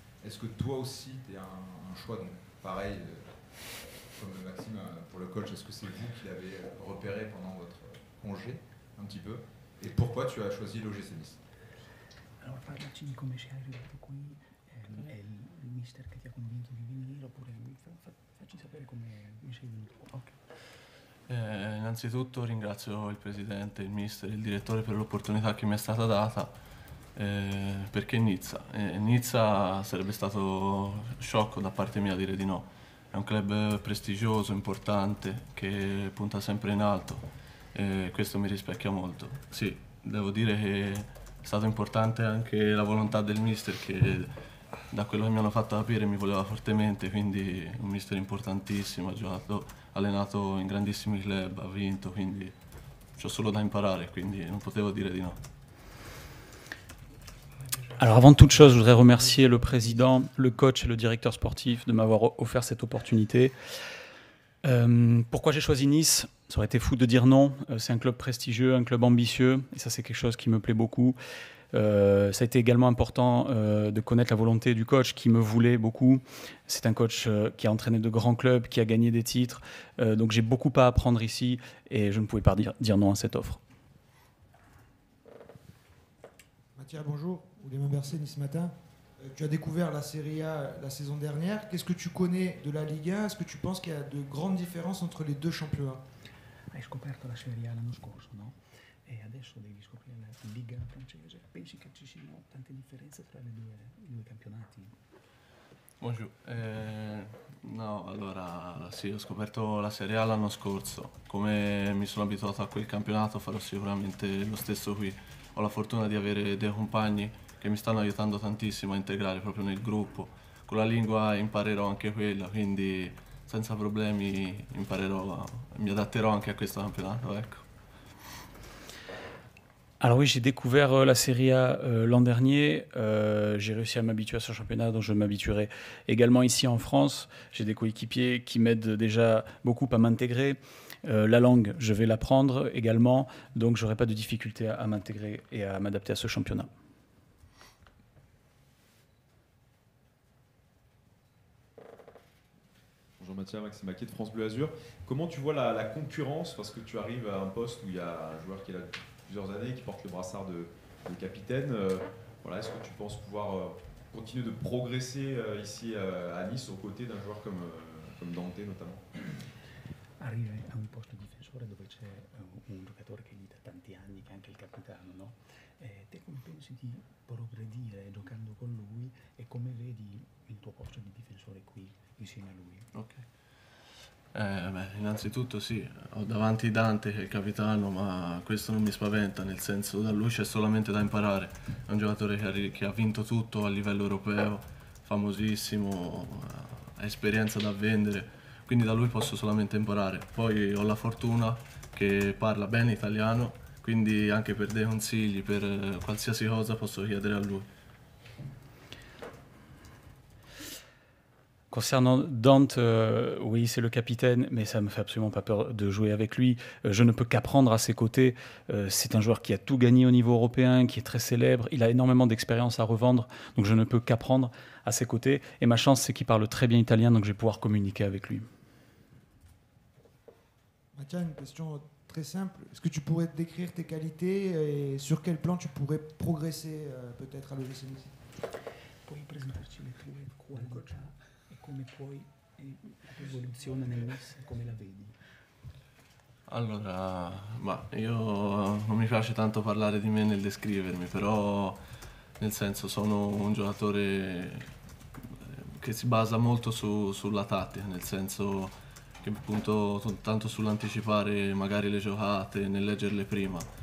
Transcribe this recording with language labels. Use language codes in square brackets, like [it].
[fr] Est-ce que toi aussi, tu es un choix donc, pareil comme Maxime, pour le coach, est-ce que c'est vous qui l'avez repéré pendant votre congé, un petit peu? Et pourquoi tu as choisi l'OGC Nice? Alors, tu as dit comment tu es arrivé ici? Est-ce le mister qui t'a convaincu de venir? Ou fais-nous savoir comment tu es venu. [it] Innanzitutto, ringrazio il presidente, il mister e il direttore per l'opportunità che mi è stata data. Perché Nizza? Nizza sarebbe stato sciocco da parte mia dire di no. È un club prestigioso, importante, che punta sempre in alto e questo mi rispecchia molto. Sì, devo dire che è stata importante anche la volontà del mister che da quello che mi hanno fatto capire mi voleva fortemente, quindi un mister importantissimo, ha giocato, allenato in grandissimi club, ha vinto, quindi c'ho solo da imparare, quindi non potevo dire di no. [fr] Alors avant toute chose, je voudrais remercier le président, le coach et le directeur sportif de m'avoir offert cette opportunité. Pourquoi j'ai choisi Nice? Ça aurait été fou de dire non. C'est un club prestigieux, un club ambitieux. Et ça, c'est quelque chose qui me plaît beaucoup. Ça a été également important de connaître la volonté du coach qui me voulait beaucoup. C'est un coach qui a entraîné de grands clubs, qui a gagné des titres. Donc j'ai beaucoup à apprendre ici et je ne pouvais pas dire non à cette offre. Mathia, bonjour. Oulema Berceni ce matin. Tu as découvert la Serie A la saison dernière. Qu'est-ce que tu connais de la Liga ? Est-ce que tu penses qu'il y a de grandes différences entre les deux championnats ? [it] Hai scoperto la Serie A l'anno scorso, no? E adesso devi scoprire la Liga francese. Pensi che ci siano tante differenze tra i due campionati? [fr] Bonjour. [it] No, allora sì, ho scoperto la Serie A l'anno scorso. Come mi sono abituato a quel campionato, farò sicuramente lo stesso qui. Ho la fortuna di avere dei compagni che mi stanno aiutando tantissimo a integrare proprio nel gruppo. Con la lingua imparerò anche quella, quindi senza problemi imparerò, mi adatterò anche a questo campionato, ecco. [fr] Alors oui, j'ai découvert la Serie A l'an dernier. J'ai réussi à m'habituer à ce championnat, donc je m'habituerai également ici en France. J'ai des coéquipiers qui m'aident déjà beaucoup à m'intégrer. La langue, je vais l'apprendre également, donc je n'aurai pas de difficulté à m'intégrer et à m'adapter à ce championnat. Bonjour Mathia, Maxime Maquet de France Bleu Azur. Comment tu vois la concurrence, parce que tu arrives à un poste où il y a un joueur qui est là plusieurs années, qui porte le brassard de capitaine. Voilà, est-ce que tu penses pouvoir continuer de progresser ici à Nice aux côtés d'un joueur comme Dante notamment ? [it] Arrivare a un posto difensore dove c'è un giocatore che è lì da tanti anni, che è anche il capitano, no? E te come pensi di progredire giocando con lui e come vedi il tuo posto di difensore qui insieme a lui? Ok. Innanzitutto sì, ho davanti Dante che è il capitano, ma questo non mi spaventa, nel senso da lui c'è solamente da imparare. È un giocatore che ha vinto tutto a livello europeo, famosissimo, ha esperienza da vendere. Quindi da lui posso solamente imparare. Poi ho la fortuna che parla bene italiano, quindi anche per dei consigli, per qualsiasi cosa posso chiedere a lui. [fr] Concernant Dante, oui, c'est le capitaine, mais ça ne me fait absolument pas peur de jouer avec lui. Je ne peux qu'apprendre à ses côtés. C'est un joueur qui a tout gagné au niveau européen, qui est très célèbre. Il a énormément d'expérience à revendre, donc je ne peux qu'apprendre à ses côtés. Et ma chance, c'est qu'il parle très bien italien, donc je vais pouvoir communiquer avec lui. Mathia, une question très simple. Est-ce que tu pourrais décrire tes qualités et sur quel plan tu pourrais progresser peut-être à l'OGC Nice ? [it] Puoi presentarci le tue qualità e come puoi la tua evoluzione nel Nice, come la vedi? Allora, ma io non mi piace tanto parlare di me nel descrivermi, però nel senso sono un giocatore che si basa molto sulla tattica, nel senso che appunto tanto sull'anticipare magari le giocate, nel leggerle prima,